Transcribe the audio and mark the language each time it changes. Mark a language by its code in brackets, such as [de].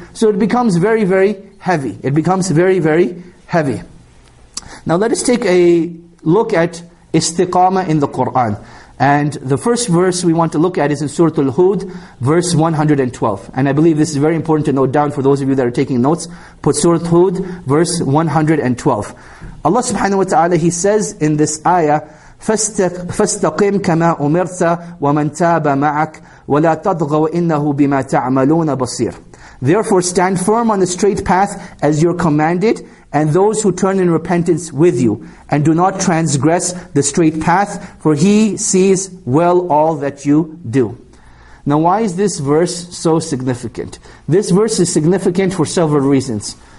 [en] So it becomes very, very heavy. It becomes very, very heavy. Now let us take a look at istiqama in the Qur'an. And the first verse we want to look at is in Surah Al-Hud, verse 112. And I believe this is very important to note down for those of you that are taking notes. Put Surah Al-Hud, verse 112. Allah subhanahu wa ta'ala, He says in this ayah, [ar] فَاسْتَقِمْ كَمَا أُمِرْتَ وَمَنْ تَابَ مَعَكْ وَلَا تَضْغَوْا إِنَّهُ بِمَا تَعْمَلُونَ بَصِيرٌ. [en] Therefore stand firm on the straight path as you're commanded, and those who turn in repentance with you, and do not transgress the straight path, for He sees well all that you do. Now why is this verse so significant? This verse is significant for several reasons.